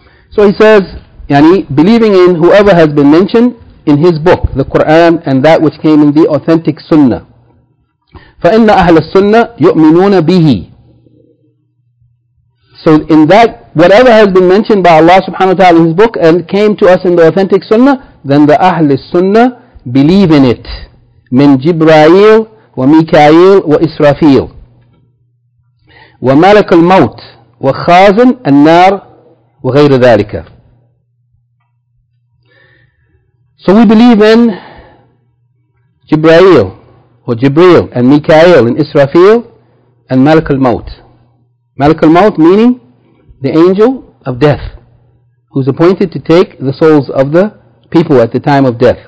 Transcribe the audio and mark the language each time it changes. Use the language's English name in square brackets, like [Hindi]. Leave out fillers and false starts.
[English] So he says, yani, believing in whoever has been mentioned in his book, the Qur'an, and that which came in the authentic Sunnah. [Arabic] فَإِنَّ أَهْلَ السُّنَّةِ يُؤْمِنُونَ بِهِ. [English] So in that, whatever has been mentioned by Allah subhanahu wa ta'ala in His book and came to us in the authentic Sunnah, then the Ahli Sunnah believe in it. [Arabic] من جبرائيل وميكائيل وإسرافيل وملك الموت وخازن النار وغير ذلك. [English] So we believe in جبرائيل or جبريل and ميكائيل and إسرافيل and ملك الموت. ملك الموت meaning the angel of death, who's appointed to take the souls of the people at the time of death.